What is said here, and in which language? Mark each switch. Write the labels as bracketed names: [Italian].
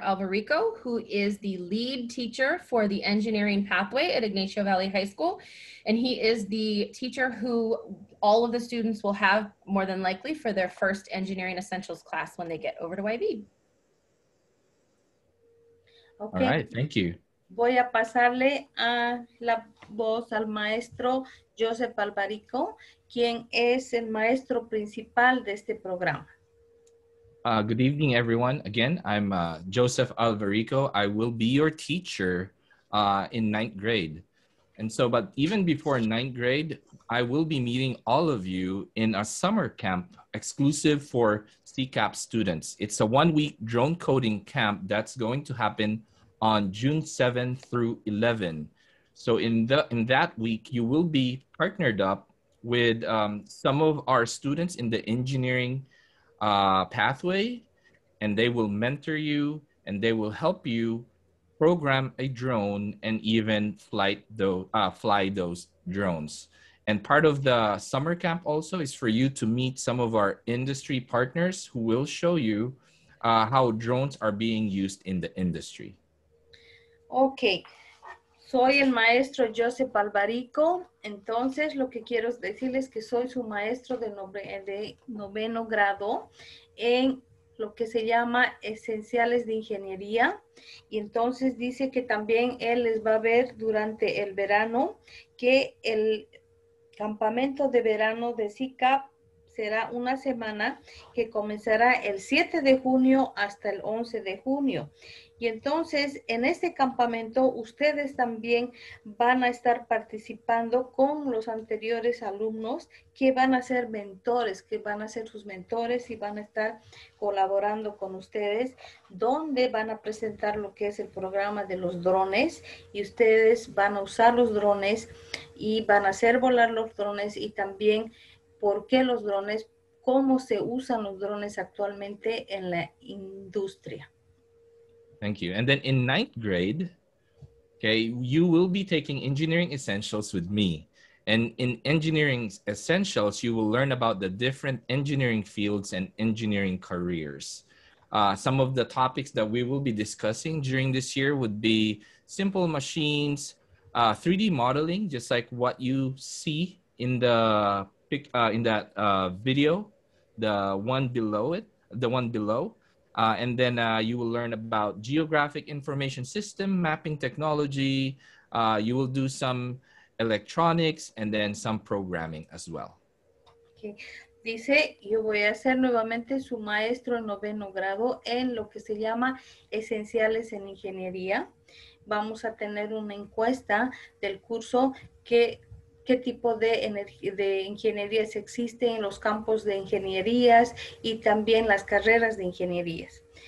[English] Alvarico, who is the lead teacher for the engineering pathway at Ignacio Valley High School. And he is the teacher who all of the students will have more than likely for their first engineering essentials class when they get over to YV. Okay. All right, thank you. [Spanish] Voy a pasarle a la voz al maestro Joseph Alvarico, quien es el maestro principal de este programa. [English] Good evening, everyone. Again, I'm Joseph Alvarico. I will be your teacher in ninth grade. And so, but even before ninth grade, I will be meeting all of you in a summer camp exclusive for CCAP students. It's a one-week drone coding camp that's going to happen on June 7 through 11. So in that week, you will be partnered up with some of our students in the engineering pathway, and they will mentor you and they will help you program a drone and even fly those drones. And part of the summer camp also is for you to meet some of our industry partners who will show you how drones are being used in the industry. [Spanish] Okay, soy el maestro Joseph Alvarico. Entonces, lo que quiero decirles es que soy su maestro de noveno grado en lo que se llama Esenciales de Ingeniería. Y entonces dice que también él les va a ver durante el verano, que el campamento de verano de CCAP será una semana que comenzará el 7 de junio hasta el 11 de junio. Y entonces, en este campamento, ustedes también van a estar participando con los anteriores alumnos que van a ser mentores, que van a ser sus mentores y van a estar colaborando con ustedes, donde van a presentar lo que es el programa de los drones y ustedes van a usar los drones y van a hacer volar los drones y también por qué los drones, cómo se usan los drones actualmente en la industria. [English] Thank you. And then in ninth grade, okay, you will be taking engineering essentials with me. And in engineering essentials, you will learn about the different engineering fields and engineering careers. Some of the topics that we will be discussing during this year would be simple machines, 3D modeling, just like what you see in the video, the one below it, the one below. And then you will learn about geographic information system, mapping technology. You will do some electronics and then some programming as well. Okay. [Spanish] Dice, yo voy a ser nuevamente su maestro en noveno grado en lo que se llama Esenciales en Ingeniería. Vamos a tener una encuesta del curso que qué tipo de ingenierías existen en los campos de ingenierías y también las carreras de ingenierías.